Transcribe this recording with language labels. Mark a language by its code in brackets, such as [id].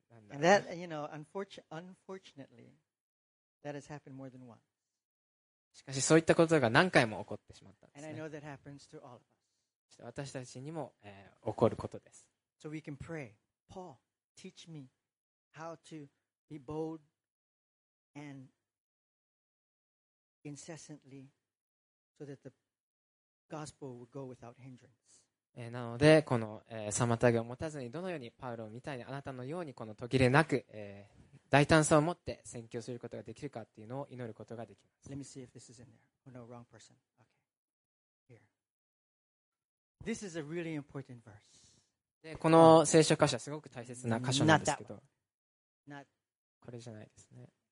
[en] And that, you know, unfortunately, that has happened more than once. [ja] しかしそういったことが何回も起こってしまったんですね。 [en] And I know that happens to all of us. [ja] 私たちにも、起こることです。 [en] So we can pray, Paul, teach me how to be bold and incessantly so that the gospel would go without hindrance. [ja] なのでこの、妨げを持たずにどのようにパウロみたいにあなたのようにこの途切れなく、大胆さを持って宣教することができるかっていうのを祈ることができます。 [en] Let me see if this is in there. Oh, no, wrong person. Okay. Here. This is a really important verse. [ja] でこの聖書箇所はすごく大切な箇所なんですけど、これじゃないですね。